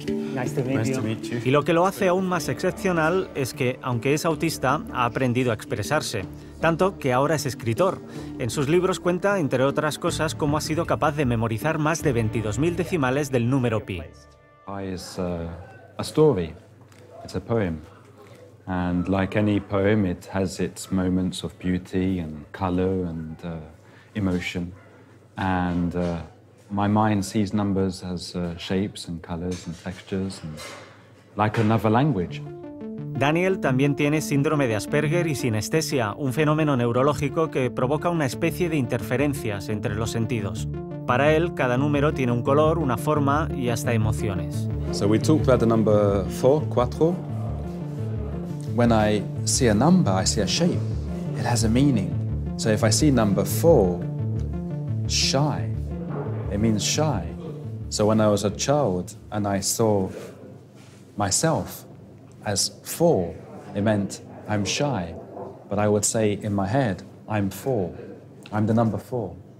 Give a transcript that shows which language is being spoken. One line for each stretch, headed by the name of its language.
English: Nice to meet you.
Spanish: Y lo que lo hace aún más excepcional es que, aunque es autista, ha aprendido a expresarse. Tanto que ahora es escritor. En sus libros cuenta, entre otras cosas, cómo ha sido capaz de memorizar más de 22.000 decimales del número pi.
English: Pi is a story. It's a poem. And like any poem, it has its moments of beauty and color and emotion. And my mind sees numbers as shapes and colors and textures and like another language.
Spanish: Daniel también tiene síndrome de Asperger y sinestesia, un fenómeno neurológico que provoca una especie de interferencias entre los sentidos. Para él, cada número tiene un color, una forma y hasta emociones.
English: So we talk about the number four, cuatro. When I see a number, I see a shape. It has a meaning. So if I see number four, shy, it means shy. So when I was a child and I saw myself, as four, it meant I'm shy, but I would say in my head, I'm four, I'm the number four.